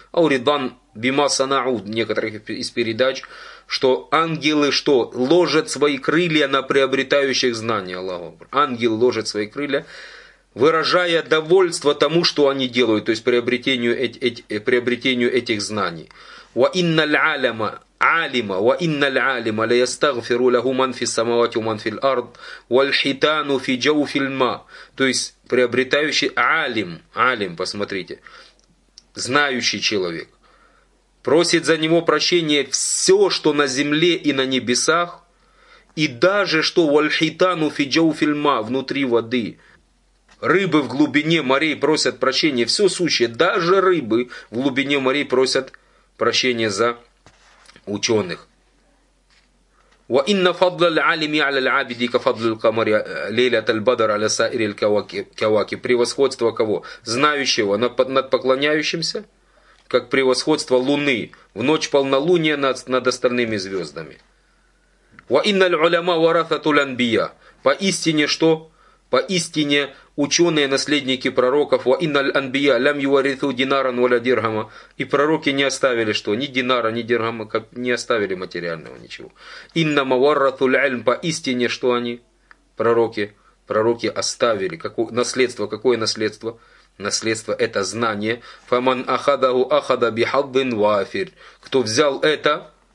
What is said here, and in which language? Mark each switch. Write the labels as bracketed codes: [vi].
[ar] Ау ридан бима санау, [ru] некоторых из передач, что ангелы что? Ложат свои крылья на приобретающих знания Аллаху. Ангел ложит свои крылья, выражая довольство тому, что они делают, то есть приобретению этих знаний. [ar] Ва инна аль алима. عالمه وان العالم لا يستغفر له من في السماوات ومن في الارض والحيتان في جوف الماء. [ru] То есть приобретающий алим, посмотрите, знающий человек просит за него прощение все, что на земле и на небесах, и даже что [ar] والحيتان في جوف الماء, [ru] внутри воды. Рыбы в глубине морей просят прощения, все сущее, даже рыбы в глубине морей просят прощения за ученых. [ar] وإن فضل العالم على العابد كفضل القمر ليلة البدر على سائر الكواكب. [ru] Превосходство кого? Знающего над поклоняющимся, как превосходство луны в ночь полнолуния над остальными звездами. [ar] وإن العلماء ورثة الأنبياء. [ru] Поистине что? Поистине ученые наследники пророков. [ar] وإن الأنبياء لم يورثوا دينارا ولا درهما. [ru] И пророки не оставили что? Ни динара, ни дирхама, как не оставили материального ничего. [ar] إنما ورثوا العلم. [ru] Поистине что они? Пророки. Пророки оставили. Какое наследство? Какое наследство? Наследство это знание. [ar] فمن أخذه أخذ بحظ وافر. [ru] Кто взял это?